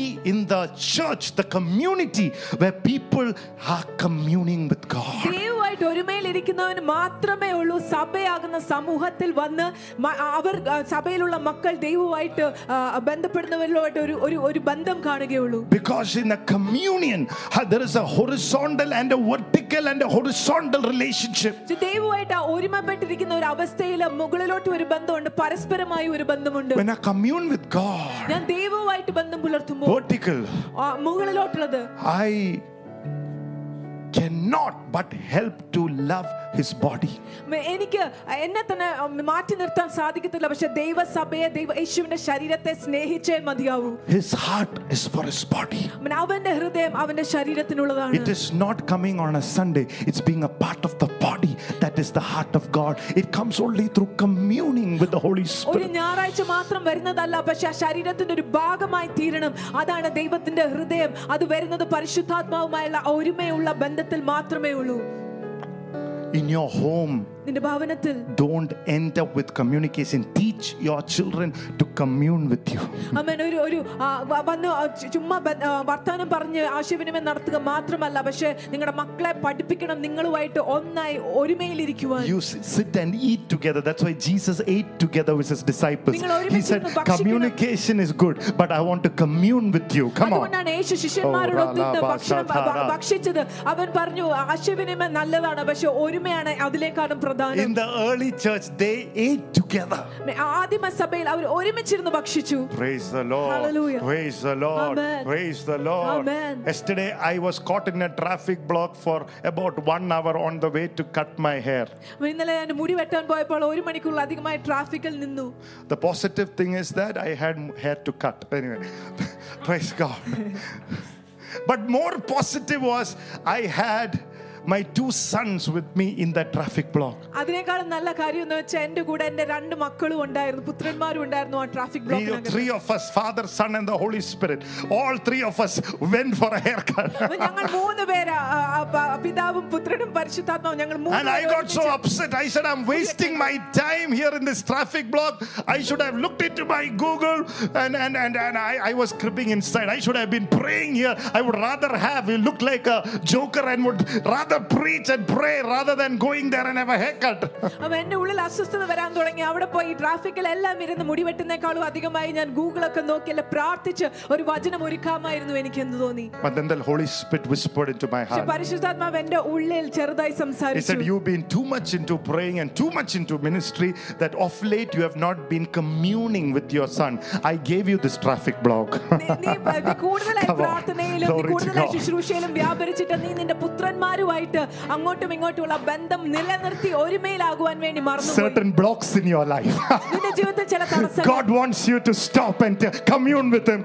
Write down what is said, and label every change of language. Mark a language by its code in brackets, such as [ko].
[en] in the church, the community where people are communing with God. [ml] ദൈവമായി ഒരുമയിൽ ഇരിക്കുന്നവൻ മാത്രമേ ഉള്ളൂ സഭയാകുന്ന സമൂഹത്തിൽ വന്ന് അവർ സഭയിലുള്ള മക്കൾ ദൈവമായിട്ട് ബന്ധപ്പെടുന്നവരിലോട്ട് ഒരു ഒരു ബന്ധം കാണുകയുള്ളൂ. [en] Because in a communion there is a horizontal and a vertical and a horizontal relationship. [ml] ദൈവമായി ഒരുമപ്പെട്ടിരിക്കുന്ന ഒരു അവസ്ഥയിൽ മുകളിലോട്ട് ഒരു ബന്ധമുണ്ട്, പരസ്പരമായി ഒരു ബന്ധമുണ്ട്. [en] When I commune with God, [ml] ഞാൻ ദൈവമായി ബന്ധം പുലർത്തുമ്പോൾ [en] vertical [ml] മുകളിലോട്ടുള്ളത് [en] I cannot but help to love his body. [ml] എനിക്ക് എന്നെ തന്നെ മാറ്റി നിർത്താൻ സാധിക്കത്തില്ല, പക്ഷേ ദൈവസഭയെ ദൈവയേശുവിന്റെ ശരീരത്തെ സ്നേഹിച്ചേ മതിയാവൂ. [en] His heart is for his body. [ml] അവന്റെ ഹൃദയം അവന്റെ ശരീരത്തിനുള്ളതാണ്. [en] It is not coming on a Sunday, it's being a part of the body, that is the heart of God. It comes only through communing with the Holy Spirit. [ml] ഒരു ഞായറാഴ്ച മാത്രം വരുന്നതല്ല, പക്ഷേ ആ ശരീരത്തിന്റെ ഒരു ഭാഗമായി തീരണം. അതാണ് ദൈവത്തിന്റെ ഹൃദയം. അത് വരുന്നത് പരിശുദ്ധാത്മാവുമായുള്ള ഒരുമയുള്ള ബന്ധത്തിൽ മാത്രമേ ഉള്ളൂ. [en] In your home, [ml] നിന്റെ ഭവനത്തിൽ [en] don't end up with communication. Teach your children to commune with you. [ml] അമ്മേ ഒരു ഒരു വന്ന് ചുമ്മാ വർത്താനം പറഞ്ഞ് ആശയവിനിമയം നടത്തുക മാത്രമല്ല, പക്ഷേ നിങ്ങളുടെ മക്കളെ പഠിപ്പിക്കണം നിങ്ങളുമായിട്ട് ഒന്നായി ഒരുമയിൽ ഇരിക്കുവാൻ. [en] You sit and eat together. That's why Jesus ate together with his disciples. He said communication is good, but I want to commune with you. Come on. [ml] അതുകൊണ്ടാണ് യേശു ശിഷ്യന്മാരോട് ഭക്ഷിച്ചത്. അവൻ പറഞ്ഞു ആശയവിനിമയം നല്ലതാണ്, പക്ഷേ ഒരുമയാണ് അതിലേക്ക്. [en] In the early church, they ate together. [ml] ആദിമ സഭയിൽ അവർ ഒരുമിച്ചിരുന്ന് ഭക്ഷിച്ചു. [en] Praise the Lord. Hallelujah. Praise the Lord. Amen. Praise the Lord. Amen. Yesterday, I was caught in a traffic block for about 1 hour on the way to cut my hair. [ml] ഇന്നലെ ഞാൻ മുടി വെട്ടാൻ പോയപ്പോൾ ഒരു മണിക്കൂർ അധികമായി ട്രാഫിക്കിൽ നിന്നു. [en] The positive thing is that I had hair to cut. Anyway, praise God. But more positive was I had my two sons with me in the traffic block. [ml] അതിനേക്കാൾ നല്ല കാര്യം എന്ന് വെച്ചാൽ എൻ്റെ കൂടെ എൻ്റെ രണ്ട് മക്കളും ഉണ്ടായിരുന്നു, പുത്രന്മാരും ഉണ്ടായിരുന്നു ആ ട്രാഫിക് ബ്ലോക്കിൽ. [en] The three of us, father, son and the Holy Spirit, all three of us went for a haircut. [ml] ഞങ്ങൾ മൂന്ന് പേര്, പിതാവും പുത്രനും പരിശുദ്ധാത്മാവും, ഞങ്ങൾ മൂന്ന് പേര്. [en] And I got so upset. I said I'm wasting my time here in this traffic block. I should have looked into my Google and I was creeping inside. I should have been praying here. I would rather have you look like a joker and would rather to preach and pray rather than going there and have a haircut. [ml] അവന്റെ ഉള്ളിൽ അസ്വസ്ഥത വരാൻ തുടങ്ങി. അവിടെ പോയി ട്രാഫിക്കിൽ എല്ലാം ഇരുന്ന് മുടി വെട്ടുന്നേക്കാളും അധികമായി ഞാൻ ഗൂഗിൾ ഒക്കെ നോക്കി അല്ലെ പ്രാർത്ഥിച്ച് ഒരു വചനം ഒരുക്കാമായിരുന്നു എനിക്ക് എന്ന് തോന്നി. [en] But then the Holy Spirit whispered into my heart. [ml] പരിശുദ്ധാത്മാവ് എന്റെ ഉള്ളിൽ ചെറുതായി സംസാരിച്ചു. [en] He said you've been too much into praying and too much into ministry that of late you have not been communing with your son. I gave you this traffic block. [ml] നീ കൂടുതലായി പ്രാർത്ഥനയിലും കൂടുതലായി ശുശ്രൂഷയിലും വ്യാപരിച്ചിട്ട് നീ നിന്റെ പുത്രന്മാർ അങ്ങോട്ടും ഇങ്ങോട്ടുമുള്ള ബന്ധം നിലനിർത്തി ഒരുമയിലാകുവാൻ വേണ്ടി മറന്നു. [en] Certain blocks in your life. [ml] നിന്റെ ജീവിതത്തിൽ ചില തടസ്സങ്ങൾ. [en] God wants you to stop and to commune with him.